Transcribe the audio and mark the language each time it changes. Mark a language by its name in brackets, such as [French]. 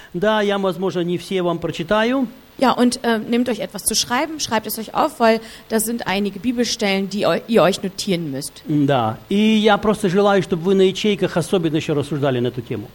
[Russian] Да, я, возможно, не все вам прочитаю. [German] Ja, und nehmt euch etwas zu schreiben, schreibt es euch auf, weil das sind einige Bibelstellen, die ihr euch notieren müsst. [Russian] Да, и я просто желаю, чтобы вы на ячейках особенно еще рассуждали на эту тему.